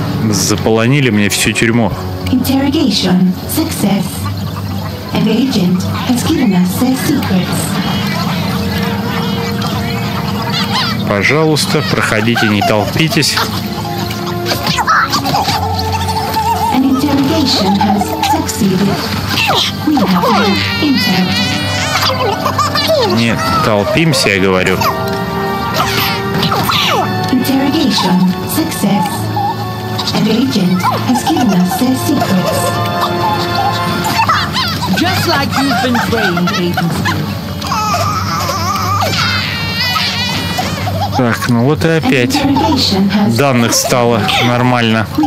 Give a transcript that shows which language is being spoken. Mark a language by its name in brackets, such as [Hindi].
[Russian] Заполонили мне всю тюрьму. [English] Interrogation success. An agent has given us their secrets. [Russian] Пожалуйста, проходите, не толпитесь. [English] An interrogation has succeeded. We have no intel. [Russian] Нет, толпимся, я говорю. [English] Interrogation success. An agent has given us their secrets. Just like you've been trained, agent. [Russian] Так, ну вот и опять данных стало нормально.